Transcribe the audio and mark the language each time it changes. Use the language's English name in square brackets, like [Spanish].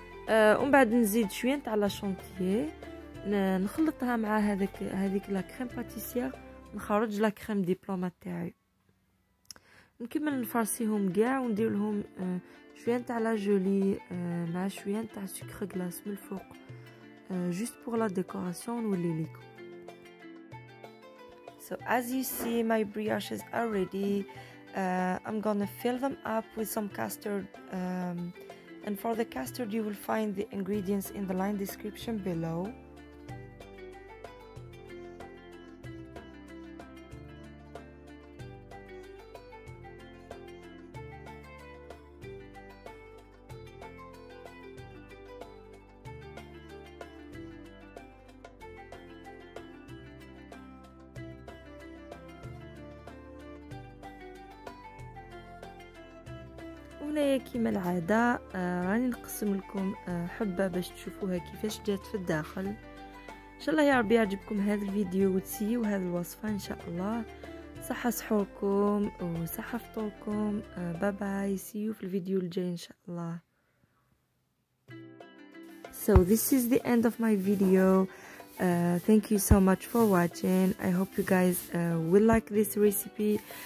[Arabic] ومن بعد نزيد شويه تاع لا شونتيي نخلطها مع هذيك لا كريم باتيسير نخرج لا كريم ديبلومات تاعي. نكمل نفرسيهم كاع وندير لهم شويه تاع لا جولي مع شويه تاع سكر غلاس من الفوق [French] جوست بور لا ديكوراسيون. [Arabic] نولي لكم. [English] So as you see my brioches are ready. I'm gonna fill them up with some custard and for the custard you will find the ingredients in the line description below. [Arabic] هنايا كيما العاده راني نقسم لكم حبه باش تشوفوها كيفاش جات في الداخل. ان شاء الله يا ربي يعجبكم هذا الفيديو وتسيو وهذه الوصفه ان شاء الله. صحه سحوركم وصحه فطوركم. باي باي. سيو في الفيديو الجاي ان شاء الله. [English] So this is the end of my video. Thank you so much for watching. I hope you guys will like this recipe.